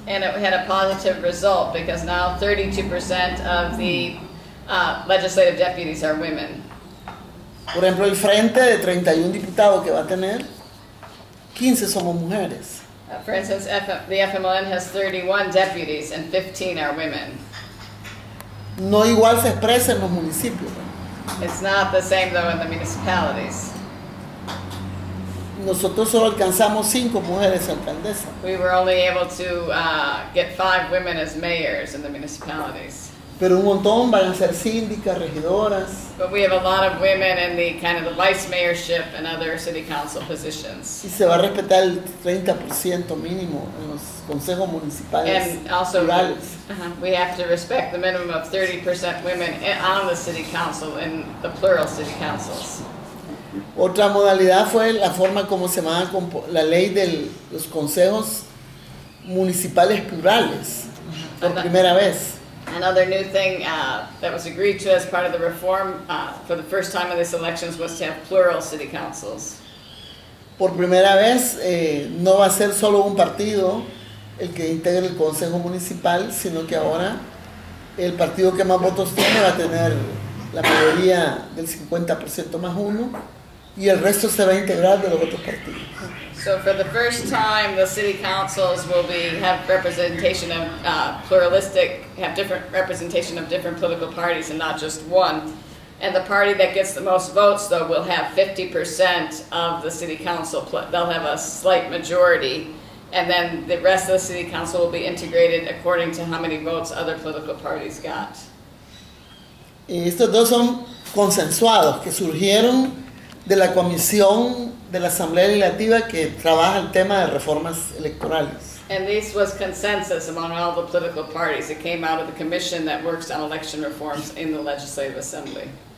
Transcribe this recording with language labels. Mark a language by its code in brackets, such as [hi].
[en] And it had a positive result because now 32% of the legislative deputies are women. [es] Por ejemplo, el frente de 31 diputados que va a tener, 15 somos mujeres. [en] For instance, the FMLN has 31 deputies and 15 are women. [es] No igual se expresa en los municipios. [en] It's not the same though in the municipalities. [es] Nosotros solo alcanzamos 5 mujeres alcaldesas. [en] We were only able to get 5 women as mayors in the municipalities. [es] Pero un montón van a ser síndicas, regidoras. [en] But we have a lot of women in the kind of the vice mayorship and other city council positions. [es] Y se va a respetar el 30% mínimo en los consejos municipales [en] also, [es] rurales. [en] We have to respect the minimum of 30% women on the city council in the plural city councils. [es] Otra modalidad fue la forma como se van a la ley de los consejos municipales plurales por primera vez. [en] Another new thing that was agreed to as part of the reform for the first time in these elections was to have plural city councils. [es] Por primera vez no va a ser solo un partido el que integre el consejo municipal, sino que ahora el partido que más votos tiene va a tener la mayoría del 50% más uno y el resto se va a integrar de los otros partidos. [en] So for the first time, the city councils will be have representation of pluralistic, have different representation of different political parties and not just one. And the party that gets the most votes, though, will have 50% of the city council. They'll have a slight majority. And then the rest of the city council will be integrated according to how many votes other political parties got. [es] Estos dos son consensuados, que surgieron de la comisión de la Asamblea Legislativa que trabaja el tema de reformas electorales. [en] And this was consensus among all the political parties. It came out of the commission that works on election reforms in the Legislative Assembly.